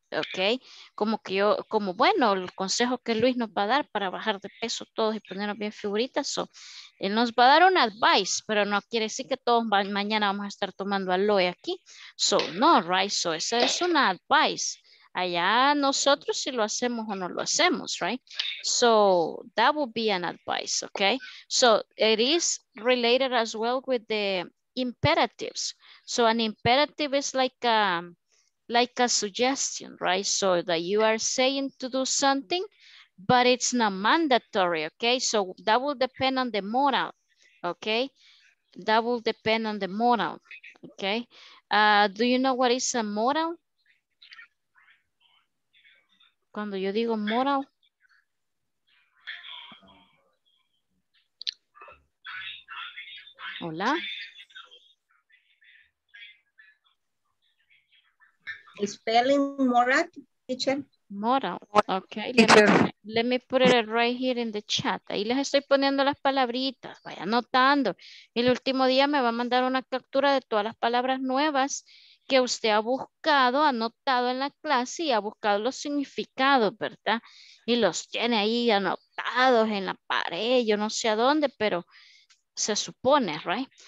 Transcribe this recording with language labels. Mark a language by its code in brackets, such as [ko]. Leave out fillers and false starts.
[es] Ok, como que yo, como bueno, el consejo que Luis nos va a dar para bajar de peso todos y ponernos bien figuritas, so, él nos va a dar un advice, pero no quiere decir que todos mañana vamos a estar tomando aloe aquí. So, no, right, so, ese es un advice. Allá nosotros si lo hacemos o no lo hacemos, right? [en] So, that would be an advice, ok? So, it is related as well with the imperatives. So, an imperative is like a... like a suggestion, right? So that you are saying to do something, but it's not mandatory, okay? So that will depend on the moral, okay? That will depend on the moral, okay? Do you know what is a moral? [es] Cuando yo digo moral. Hola. [en] Spelling moral, teacher. Moral, okay. Let me put it right here in the chat. [es] Ahí les estoy poniendo las palabritas. Vaya anotando. El último día me va a mandar una captura de todas las palabras nuevas que usted ha buscado, anotado en la clase y ha buscado los significados, ¿verdad? Y los tiene ahí anotados en la pared. Yo no sé a dónde, pero se supone, right?